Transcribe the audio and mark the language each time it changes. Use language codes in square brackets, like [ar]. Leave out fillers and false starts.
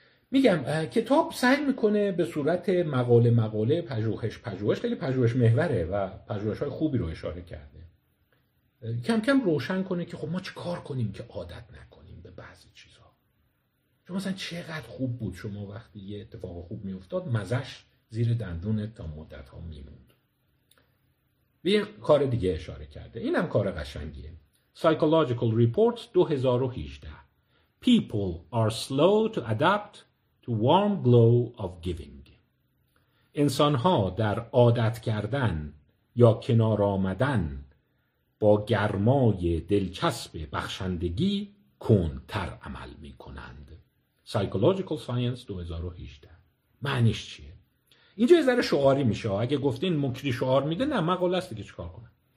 [fa] میگم کتاب سعی میکنه به صورت مقاله مقاله، پژوهش پژوهش، خیلی پژوهش محوره و پژوهش‌های خوبی رو اشاره کرده، کم کم روشن کنه که خب ما چه کار کنیم که عادت نکنیم به بعضی چیزها. شما مثلا چقدر خوب بود شما وقتی یه اتفاق خوب میافتاد مزش زیر دندونت تا مدت‌ها میموند. به یه کار دیگه اشاره کرده، اینم کار قشنگیه، [en] Psychological Reports 2018 People are slow to adapt to warm glow of giving. [fa] انسان‌ها در عادت کردن یا کنار آمدن با گرمای دلچسب بخشندگی کندتر عمل می کنند. [en] Psychological Science 2018. [fa] معنیش چیه؟ اینجا یه ذره شعاری میشه. اگه گفتین مکری شعار میده، نه، مقاله است که چیکار کنم.